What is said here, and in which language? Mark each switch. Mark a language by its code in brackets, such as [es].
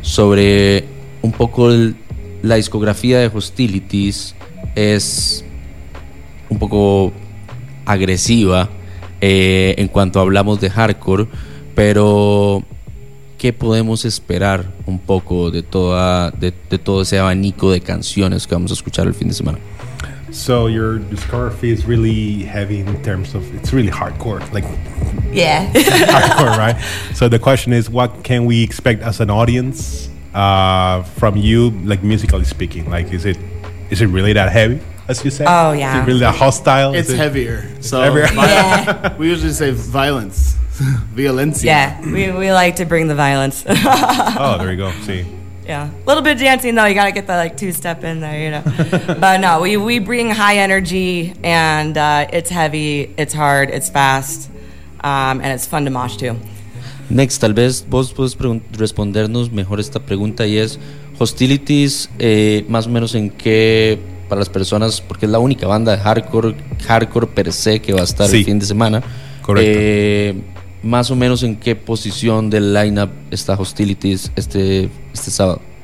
[es] Sobre un poco la discografía de Hostilities es un poco agresiva en cuanto hablamos de hardcore, pero ¿qué podemos esperar un poco de toda de todo ese abanico de canciones que vamos a escuchar el fin de semana? [en] So your discography is really heavy in terms of, it's really hardcore, like, yeah, hardcore, right? So the question is, what can we expect as an audience from you, like musically speaking? Like, is it really that heavy, as you say? Oh yeah, is it really that hostile? It's heavier. So heavier. Yeah. We usually say violence. [es] Violencia. [en] Yeah, we like to bring the violence. Oh, there you go. See. Yeah, a little bit of dancing though. You gotta get the like two-step in there, you know. But no, we bring high energy, and it's heavy, it's hard, it's fast, and it's fun to mosh to. Next, [es] tal vez vos puedes respondernos mejor esta pregunta, y es Hostilities, más o menos en qué, para las personas, porque es la única banda de hardcore per se que va a estar, sí, el fin de semana. Correcto. Más o menos en qué posición del lineup está Hostilities este sábado.